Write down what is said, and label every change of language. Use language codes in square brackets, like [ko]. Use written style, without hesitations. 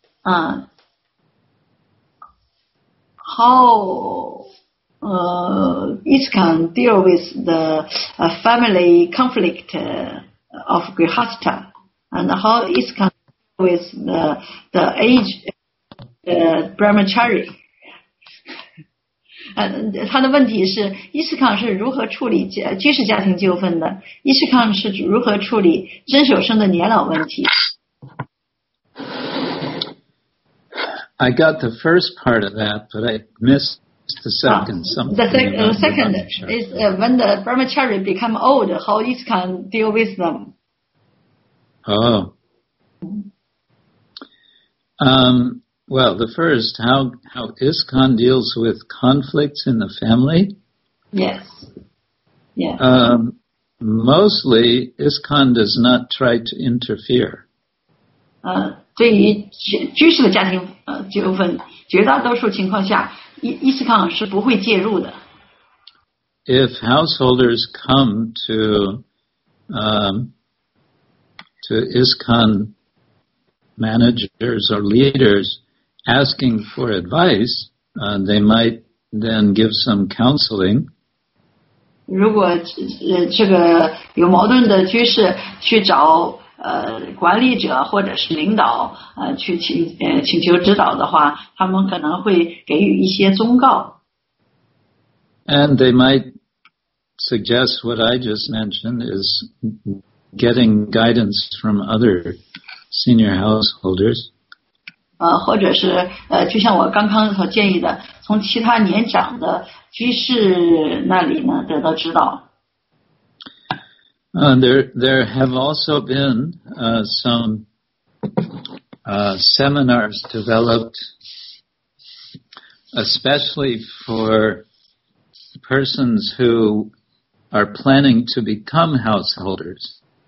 [en] How it can deal with the family conflict of Grihastha, and how it can deal with the age brahmachari. [zh] 他的问题是伊斯康是如何处理居士家庭纠纷的，伊斯康是如何处理真守生的年老问题。 [en] I got the first part of that, but I missed the second. The second is when the brahmachari become old, how it can deal with them. Oh. Well, the first, how ISKCON deals with conflicts in the family? Yes. Yeah. Mostly, ISKCON does not try to interfere. [zh] 对于居士的家庭纠纷，绝大多数情况下，ISKCON是不会介入的。 [en] If householders come to ISKCON managers or leaders asking for advice, they might then give some counseling. [zh] 如果这个有矛盾的居士去找管理者或者是领导去请求指导的话，他们可能会给予一些忠告。 [en] And they might suggest what I just mentioned is getting guidance from other senior householders. [zh] 或者是就像我刚刚所建议的，从其他年长的居士那里呢得到指导。 [en] There have also been some seminars developed especially for persons who are planning to become householders.